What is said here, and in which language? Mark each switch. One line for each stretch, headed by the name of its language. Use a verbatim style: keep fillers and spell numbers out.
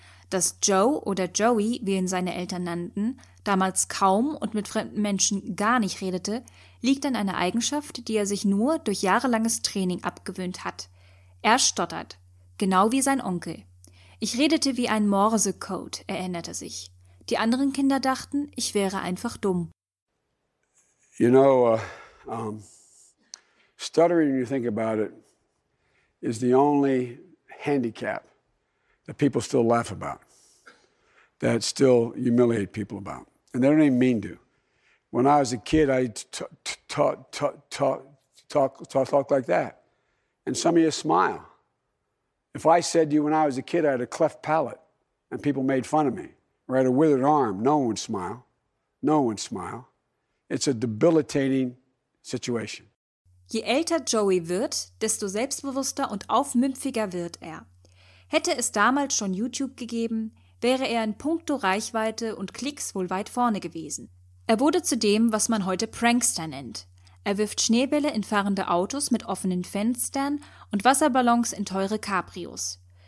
German: Dass Joe oder Joey, wie ihn seine Eltern nannten, damals kaum und mit fremden Menschen gar nicht redete, liegt an einer Eigenschaft, die er sich nur durch jahrelanges Training abgewöhnt hat. Er stottert, genau wie sein Onkel. Ich redete wie ein Morsecode, erinnert er sich. Die anderen Kinder dachten, ich wäre einfach dumm.
English: You know, uh Um, stuttering, when you think about it, is the only handicap that people still laugh about, that still humiliate people about, and they don't even mean to. When I was a kid, I t- t- talk, talk, talk, talk, talk like that, and some of you smile. If I said to you when I was a kid I had a cleft palate, and people made fun of me, or I had a withered arm, no one would smile. No one would smile. It's a debilitating situation.
German: Je älter Joey wird, desto selbstbewusster und aufmüpfiger wird er. Hätte es damals schon YouTube gegeben, wäre er in puncto Reichweite und Klicks wohl weit vorne gewesen. Er wurde zu dem, was man heute Prankster nennt. Er wirft Schneebälle in fahrende Autos mit offenen Fenstern und Wasserballons in teure Cabrios.